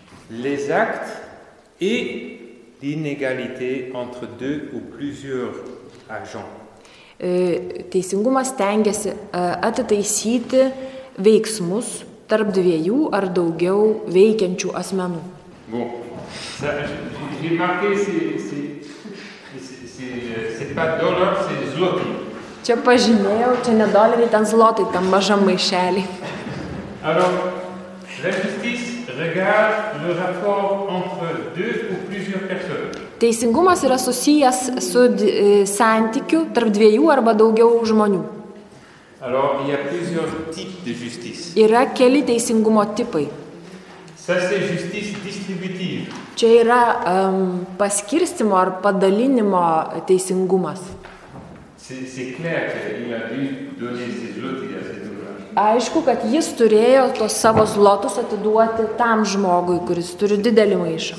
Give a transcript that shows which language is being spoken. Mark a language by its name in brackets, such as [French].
[French] Les actes et l'inégalité entre deux ou plusieurs agents. [Lithuanian] Teisingumas stengiasi atitaisyti veiksmus tarp dviejų ar daugiau veikiančių asmenų. [French] Bon. Ça, j'ai marqué, c'est pas dollar, c'est zloty. [Lithuanian] Čia pažymėjau, čia ne doleriai, ten zlotai, tam mažam maišelį. [French] Alors, la justice regarde le rapport entre deux ou plusieurs personnes. [Lithuanian] Teisingumas yra susijęs su santykiu tarp dviejų arba daugiau žmonių. [French] Alors, il y a plusieurs types de justice. [Lithuanian] Yra keli teisingumo tipai. [French] Ça, c'est justice distributive. [Lithuanian] Čia yra paskirstimo ar padalinimo teisingumas. [French] C'est clair qu'il a dû donner ses lotis à cet homme. [Lithuanian] Aišku, kad jis turėjo tos savo zlotus atiduoti tam žmogui, kuris turi didelį maišą.